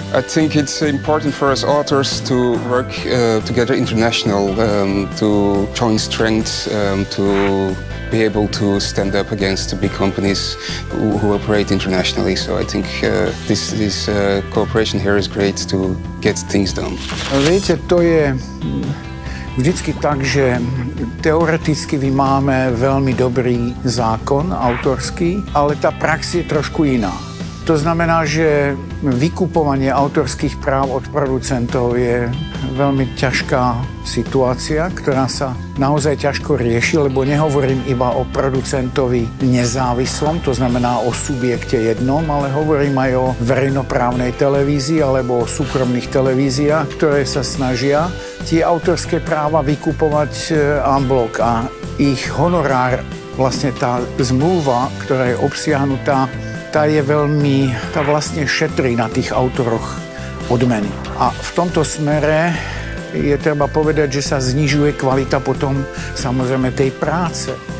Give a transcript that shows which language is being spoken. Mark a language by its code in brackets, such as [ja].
[en] I think it's important for us authors to work together international, to join strength, to be able to stand up against the big companies who operate internationally. So I think this cooperation here is great to get things done. [cs] Víte, to je vždycky tak, že teoreticky máme velmi dobrý zákon autorský, ale ta prax je trošku jiná. [sk] To znamená, že vykupovanie autorských práv od producentov je veľmi ťažká situácia, ktorá sa naozaj ťažko rieši, lebo nehovorím iba o producentovi nezávislom, to znamená o subjekte jednom, ale hovorím aj o verejnoprávnej televízii alebo o súkromných televíziách, ktoré sa snažia tie autorské práva vykupovať en bloc a ich honorár, vlastne tá zmluva, ktorá je obsiahnutá, [cs] ta vlastně šetří na těch [sk] autoroch odmeny. A v tomto smere je třeba povedat, že se znižuje kvalita potom samozřejmě té práce.